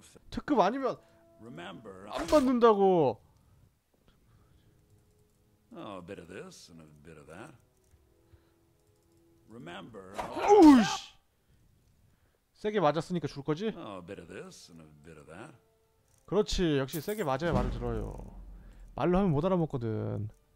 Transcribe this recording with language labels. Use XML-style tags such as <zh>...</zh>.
<ko>특급 아니면 안 받는다고.</ko> <en>Oh, a bit of this and a bit of that. Remember.</en> <ko>오우씨. 세게 맞았으니까 줄 거지?</ko> <en>Oh, a bit of this and a bit of that.</en> <ko>그렇지. 역시 세게 맞아야 말을 들어요. 말로 하면 못 알아먹거든.</ko>